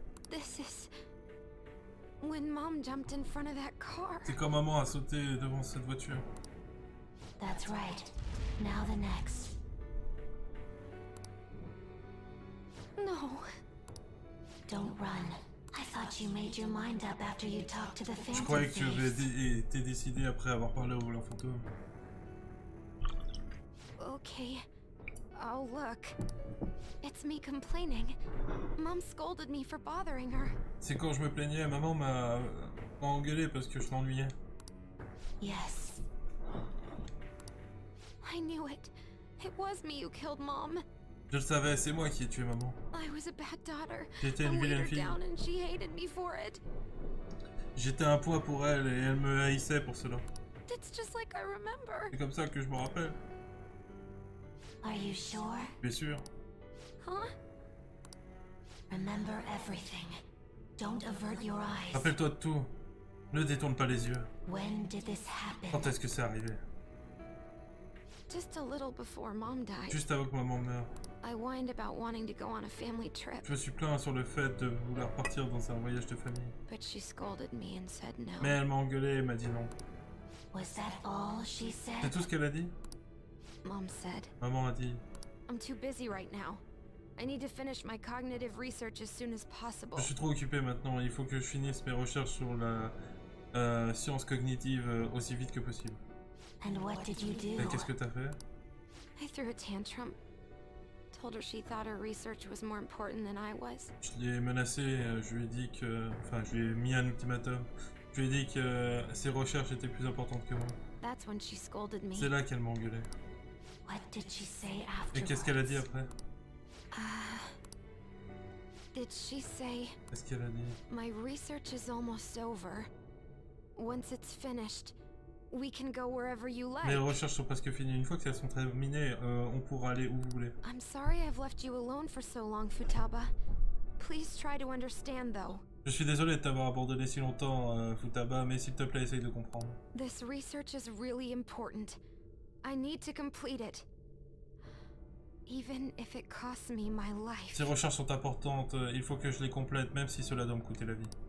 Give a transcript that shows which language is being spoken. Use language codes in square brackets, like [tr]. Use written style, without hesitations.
[en] This is when Mom jumped in front of that car. [fr] C'est quand maman a sauté devant cette voiture. [en] That's right. Now the next. No. Don't run. I thought you made your mind up after you talked to the phantom. [fr] Je croyais que tu avais été décidé après avoir parlé au volant fantôme. [en] Okay, I'll look. It's me complaining. Mom scolded me for bothering her. [fr] C'est quand je me plaignais, maman m'a engueulé parce que je m'ennuyais. [en] Yes. I knew it. It was me who killed Mom. [fr] Je le savais, c'est moi qui ai tué maman. [en] I was a bad daughter. [fr] J'étais une vilaine fille. [en] Down and she hated me for it. [fr] J'étais un poids pour elle et elle me haïssait pour cela. [en] It's just like I remember. [fr] C'est comme ça que je me rappelle. [en] Are you sure? [fr] Bien sûr. [en] Huh? Remember everything. Don't avert your eyes. [fr] Rappelle-toi de tout. Ne détourne pas les yeux. [en] When did this happen? [fr] Quand est-ce que c'est arrivé? [en] Just a little before Mom died. [fr] Juste avant que maman meure. [en] I whined about wanting to go on a family trip. [fr] Je me suis plaint sur le fait de vouloir partir dans un voyage de famille. [en] But she scolded me and said no. [fr] Mais elle m'a engueulé et m'a dit non. [en] Was that all she said? [fr] C'est tout ce qu'elle a dit? [en] Mom said. [fr] Maman a dit. [en] I'm too busy right now. I need to finish my cognitive research as soon as possible. [fr] Je suis trop occupé maintenant. Il faut que je finisse mes recherches sur la science cognitive aussi vite que possible. [en] And what did you do? [fr] Et qu'est-ce que t'as fait? [en] I threw a tantrum. Told her she thought her research was more important than I was. [fr] Je l'ai menacé. Je lui ai dit que, enfin, je lui ai mis un ultimatum. Je lui ai dit que ses recherches étaient plus importantes que moi. [en] That's when she scolded me. [fr] C'est là qu'elle m'a engueulé. [en] What did she say afterwards? [fr] Et qu'est-ce qu'elle a dit après? [en] Did she say? [fr] Qu'est-ce qu'elle a dit? [en] My research is almost over. Once it's finished, we can go wherever you like. [fr] Mes recherches sont presque finies. Une fois qu'elles sont terminées, on pourra aller où vous voulez. [en] I'm sorry I've left you alone for so long, Futaba. Please try to understand, though. [fr] Je suis désolé de t'avoir abandonné si longtemps, Futaba, mais s'il te plaît, essaye de comprendre. [en] This research is really important. I need to complete it. Even if it costs me my life. [fr] Ces recherches sont importantes, il faut que je les complète, même si cela doit me coûter la vie.